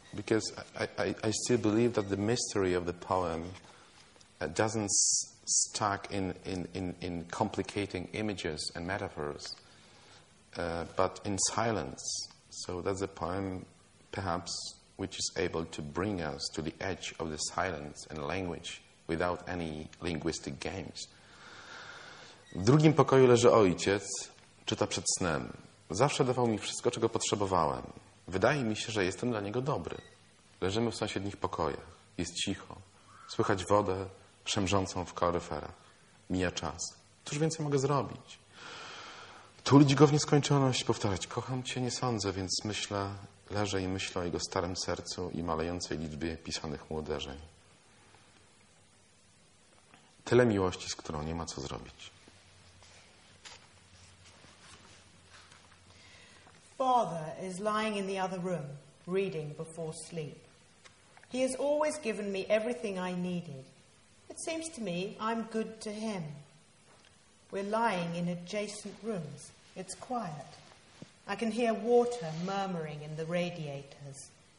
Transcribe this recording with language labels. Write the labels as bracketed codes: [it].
[en] Because I still believe that the mystery of the poem doesn't stuck in complicating images and metaphors, but in silence. So that's a poem, perhaps, which is able to bring us to the edge of the silence and language without any linguistic games. [pl] W drugim pokoju leży ojciec, czyta przed snem. Zawsze dawał mi wszystko, czego potrzebowałem. Wydaje mi się, że jestem dla niego dobry. Leżymy w sąsiednich pokojach. Jest cicho. Słychać wodę szemrzącą w koryferach. Mija czas. Cóż więcej mogę zrobić? Tulić go w nieskończoność, powtarzać. Kocham cię, nie sądzę, więc myślę, leżę i myślę o jego starym sercu i malejącej liczbie pisanych mu uderzeń. Tyle miłości, z którą nie ma co zrobić. [en] Father is lying in the other room, reading before sleep. He has always given me everything I needed. It seems to me I'm good to him. We're lying in adjacent rooms. It's quiet. I can hear water murmuring in the radiators.